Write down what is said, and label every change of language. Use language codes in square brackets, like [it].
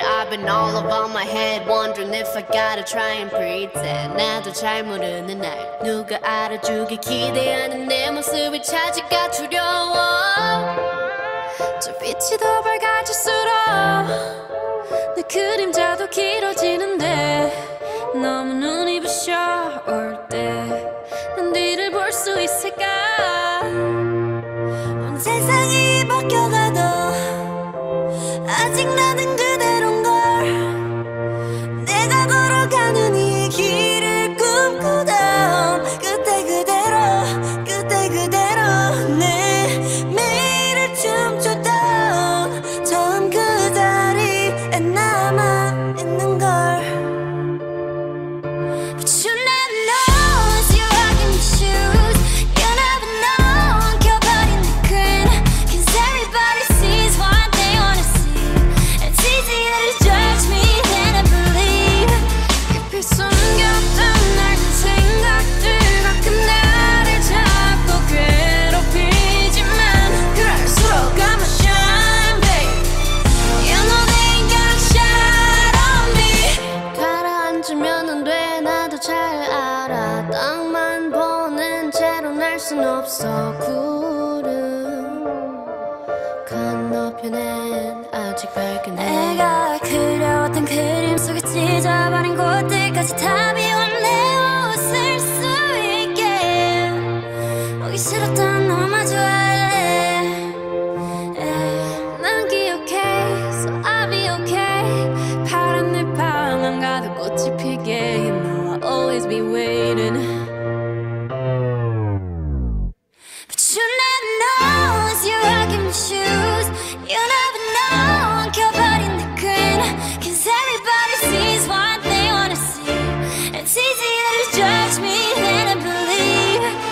[en] I've been all over my head, wondering if I gotta try and pretend. [ko] 나도 잘 모르는 날 누가 알아주게 기대하는 내 모습이 찾을까 두려워. 저 빛이 더 밝아질수록 내 그림자도 길어지는데 너무 눈이 부셔 올 때 난 뒤를 볼 수 있을까. 온 세상이 바뀌어가도 아직 나는 그대로인걸. 내가 걸어가는 이 길을 꿈꾸던 그때 그대로 내 매일을 춤췄던 처음 그 자리에 남아 있는걸. [en] But you never know as you walk in my shoes. You never know I'm caught by the grin. Cause everybody sees what they wanna see. It's easier to judge me than I believe. [ko] 깊이 숨겼던 낡은 생각들과 그 나를 자꾸 괴롭히지만 그럴수록 [en] I'm a shine, babe. You know they ain't got a shot on me. [ko] 가라앉으면 돼. 잘 알아. 땅만 보는 채로 날 순 없어. 구름 건너편엔 아직 밝은 해. 내가 그려왔던 그림 속에 찢어버린 곳들까지 다 비워내어 웃을 수 있게. 보기 싫었던 너만 좋아할래. [en] Yeah. [ko] 난 기억해. [en] So I'll be okay. [ko] 파란 내 방안 가득 꽃이 피게. [en] Always be waiting. But you never know as you rock in my shoes. You never know I'm caught by the grin. Cause everybody sees what they wanna see. It's easier to judge me than to believe.